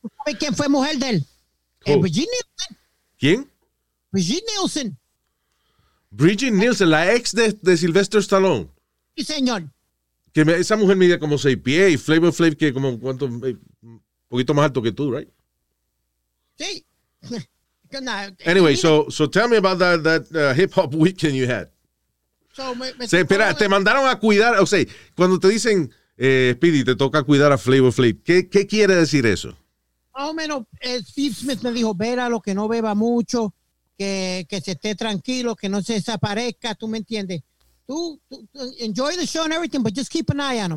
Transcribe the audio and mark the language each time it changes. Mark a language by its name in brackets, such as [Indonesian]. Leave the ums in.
[Spanish] ¿Sabes quién fue mujer de él? Eh, Virginia. ¿Quién? Brigitte Nielsen. Bridget yeah. Nielsen, la ex de, de, Sylvester Stallone. Sí, señor. Que me, esa mujer mide como seis pies y Flavor que como cuánto, un poquito más alto que tú, ¿right? [English] Sí. Nah, anyway, so, so tell me about that, that uh, hip hop weekend you had. [Spanish] So espera, no, te no, mandaron no. a cuidar, o sea, cuando te dicen, eh, Speedy, te toca cuidar a Flavor Flip ¿qué, ¿qué quiere decir eso? Más menos, Steve Smith me, me dijo, ver lo que no beba mucho, que, que se esté tranquilo, que no se desaparezca, tú me entiendes. Tú, tú, [English] enjoy the show and everything, but just keep an eye on him.